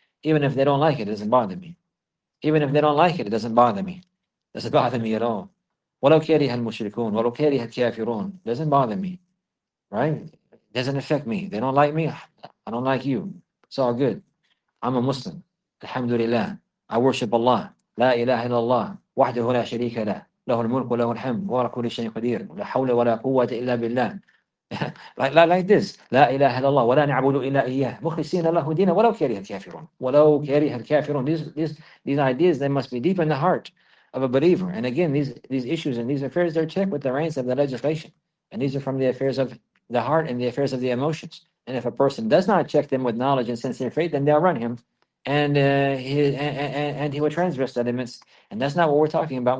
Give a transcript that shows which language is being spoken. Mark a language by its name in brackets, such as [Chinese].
[English] Even if they don't like it, it doesn't bother me. Even if they don't like it, it doesn't bother me. It doesn't bother me at all. [Arabic] وَلَوْ كَرِهَ الْمُشْرِكُونَ وَلَوْ كَرِهَ الْكَافِرُونَ. [English] It doesn't bother me, right? It doesn't affect me. They don't like me, I don't like you. It's all good. I'm a Muslim. [Arabic] Alhamdulillah, [English] I worship Allah. [Arabic] La ilaha illallah. وحده لا شريك له. لا له الملك وله الحمد وهو على كل شيء قدير، لا حول ولا قوة إلا بالله. [English] لا like this. [Arabic] لا إله إلا الله ولا نعبد إلا إياه مخلصين له دين ولو كره الكافرون. ولو كره الكافرون. [English] These ideas, they must be deep in the heart of a believer. And again, these issues and these affairs, they're checked with the reins of the legislation. And these are from the affairs of the heart and the affairs of the emotions. And if a person does not check them with knowledge and sincere faith, then they'll run him. And he will transgress the limits. And that's not what we're talking about.